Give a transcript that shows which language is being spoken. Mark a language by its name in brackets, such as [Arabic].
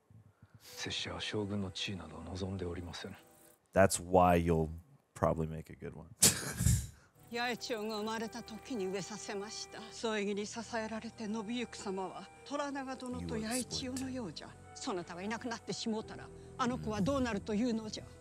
[Japanese] そなたにあの者を止めるすべがあればよいのじゃが、あの者がそれておるのは、ヨシー・トラナガというのではなく、そなたの血筋。ヨシー・トラナガ。身の藁の血を恐れておるのじゃ。ご先祖様のご意向など、拙者には関わりござりませぬ。ご気性のまっすぐなお方、武家の棟梁、将軍なのじゃ。Oof。拙者は将軍の地位など望んでおりませぬ。 [English] That's why you'll probably make a good one. [Japanese] 八重千代が生まれた時に植えさせました。添え木に支えられて伸びゆく様は、虎長殿と八重千代のようじゃ。そなたがいなくなってしもうたら、あの子はどうなるというのじゃ。